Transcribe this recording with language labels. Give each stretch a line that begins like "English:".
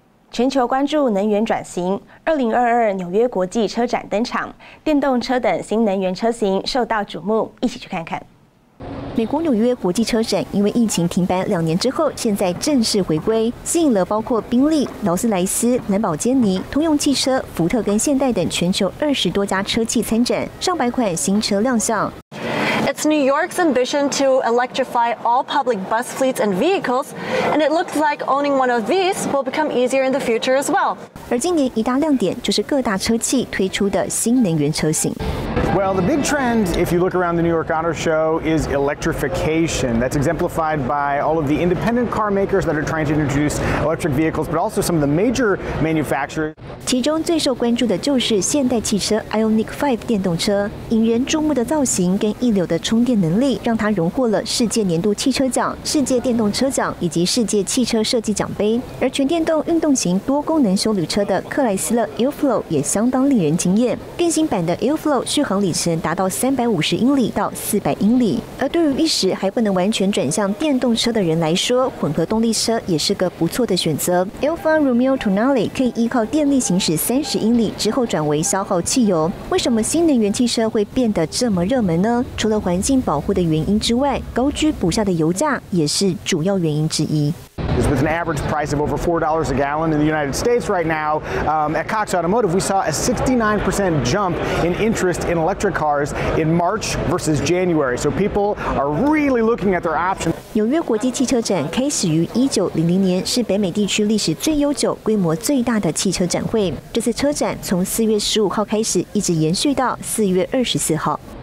Chinese: 全球关注能源转型，2022纽约国际车展登场，电动车等新能源车型受到瞩目，一起去看看。美国纽约国际车展因为疫情停办2年之后，现在正式回归，吸引了包括宾利、劳斯莱斯、兰宝基尼、通用汽车、福特跟现代等全球20多家车企参展，上百款新车亮相。
English: It's New York's ambition to electrify all public bus fleets and vehicles, and it looks like owning one of these will become easier in the future as well.
Chinese: 而今年一大亮点就是各大车企推出的新能源车型。
English: Well, the big trend, if you look around the New York Auto Show, is electrification. That's exemplified by all of the independent car makers that are trying to introduce electric vehicles, but also some of the major manufacturers.
Chinese: 其中最受关注的就是现代汽车 IONIQ 5电动车，引人注目的造型跟一流的充电能力，让它荣获了世界年度汽车奖、世界电动车奖以及世界汽车设计奖杯。而全电动运动型多功能休旅车的克莱斯勒 Airflow 也相当令人惊艳。更新版的 Airflow 续航里程达到350英里到400英里。而对于一时还不能完全转向电动车的人来说，混合动力车也是个不错的选择。 Alfa Romeo Tonale 可以依靠电力行驶30英里之后转为消耗汽油。为什么新能源汽车会变得这么热门呢？除了环境保护的原因之外，高居不下的油价也是主要原因之一。
English: With an average price of over $4 a gallon in the United States right now, at Cox Automotive, we saw a 69% jump in interest in electric cars in March versus January. So people are really looking at their options.
Chinese: 纽约国际汽车展开始于1900年，是北美地区历史最悠久、规模最大的汽车展会。这次车展从4月15号开始，一直延续到4月24号。